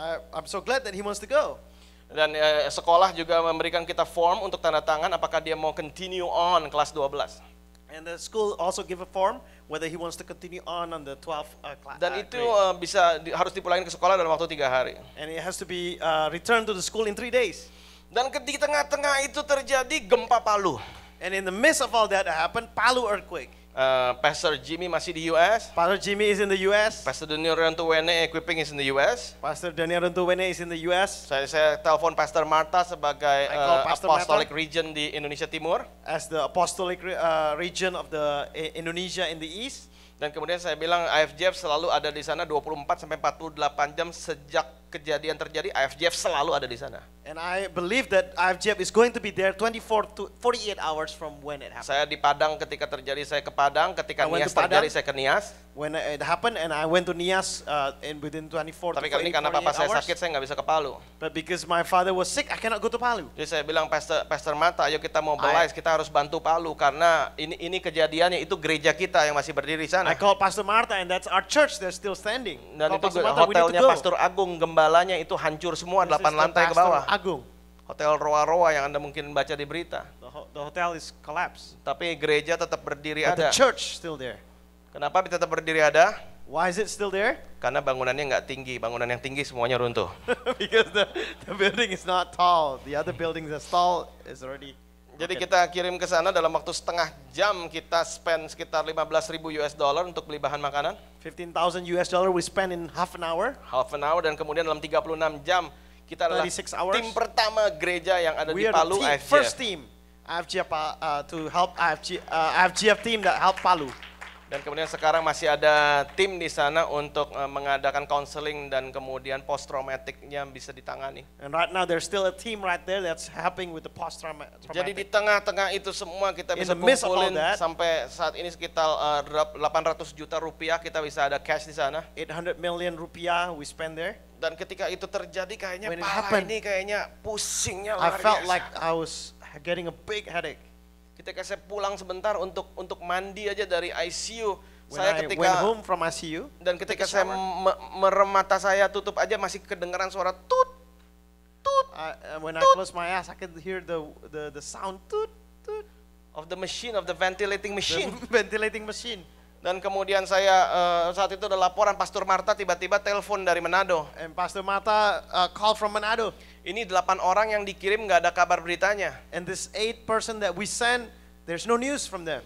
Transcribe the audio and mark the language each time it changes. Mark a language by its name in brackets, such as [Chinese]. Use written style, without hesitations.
[English] I'm so glad that he wants to go. [Indonesian] Dan sekolah juga memberikan kita form untuk tanda tangan apakah dia mau [English] continue on [Indonesian] kelas 12. [English] And the school also give a form whether he wants to continue on the 12th class. [Indonesian] Dan itu bisa harus dipulangin ke sekolah dalam waktu 3 hari. [English] And it has to be returned to the school in 3 days. [Indonesian] Dan di tengah-tengah itu terjadi gempa Palu. [English] And in the midst of all that happened, Palu earthquake. [Indonesian] Pastor Jimmy masih di US. [English] Pastor Jimmy is in the US. Pastor Daniel Rentuwene equipping is in the US. Pastor Daniel Rentuwene is in the US. [Indonesian] Saya telepon Pastor Marta sebagai [English] apostolic region [Indonesian] di Indonesia Timur. [English] As the apostolic region of the Indonesia in the East. [Indonesian] Dan kemudian saya bilang IFGF selalu ada di sana 24 sampai 48 jam sejak kejadian terjadi, IFGF selalu ada di sana. [English] And I believe that IFGF is going to be there 24 to 48 hours from when it happened. [Indonesian] Saya di Padang ketika terjadi, saya ke Padang ketika Nias terjadi, saya ke Nias. [English] When it happened and I went to Nias and within 24 [Indonesian] tapi [English] to 48 hours. [Indonesian] Tapi karena papa saya sakit, saya enggak bisa ke Palu. [English] But because my father was sick, I cannot go to Palu. [Indonesian] Jadi saya bilang Pastor Mata, ayo kita mau belize, kita harus bantu Palu karena ini kejadiannya itu gereja kita yang masih berdiri di sana. [English] I called Pastor Marta and that's our church that's still standing. [Indonesian] Dan itu hotelnya Pastor Agung, gembalanya itu hancur semua, [English] this [Indonesian] 8 lantai ke bawah. Agung. Hotel Roa-Roa yang Anda mungkin baca di berita. [English] The hotel is collapsed. [Indonesian] Tapi gereja tetap berdiri [English] but [Indonesian] ada. [English] The church still there. [Indonesian] Kenapa tetap berdiri ada? [English] Why is it still there? [Indonesian] Karena bangunannya enggak tinggi, bangunan yang tinggi semuanya runtuh. [English] Because the building is not tall. The other buildings are tall is already. [Indonesian] Jadi kita kirim ke sana dalam waktu setengah jam kita spend sekitar 15.000 US dollar untuk beli bahan makanan. [English] 15,000 US dollar we spend in half an hour. Half an hour [Indonesian] dan kemudian dalam 36 jam kita adalah tim pertama gereja yang ada di Palu, IFGF. [English] First team IFGF to help IFGF team that help Palu. [Indonesian] Dan kemudian sekarang masih ada tim di sana untuk mengadakan counseling dan kemudian post-traumatic-nya bisa ditangani. [English] And right now there's still a team right there that's helping with the post-traumatic. [Indonesian] Jadi di tengah-tengah itu semua kita bisa kumpulin sampai saat ini sekitar 800 juta rupiah kita bisa ada cash di sana. [English] 800 million rupiah we spend there. [Indonesian] Dan ketika itu terjadi kayaknya pala ini kayaknya pusingnya luar biasa. [English] I felt like I was getting a big headache. [Indonesian] Ketika saya pulang sebentar untuk mandi aja dari ICU, [English] when [Indonesian] saya [English] I [Indonesian] ketika [English] went home from ICU, [Indonesian] dan ketika saya merem mata saya tutup aja masih kedengeran suara tut tut. [English] When tut. I close my eyes, I can hear the sound tut tut of the machine, of the ventilating machine. The ventilating machine. [Indonesian] Dan kemudian saya saat itu ada laporan Pastor Marta tiba-tiba telepon dari Manado. [English] And Pastor Marta call from Manado. [Indonesian] Ini 8 orang yang dikirim enggak ada kabar beritanya. [English] And this 8 person that we send, there's no news from them.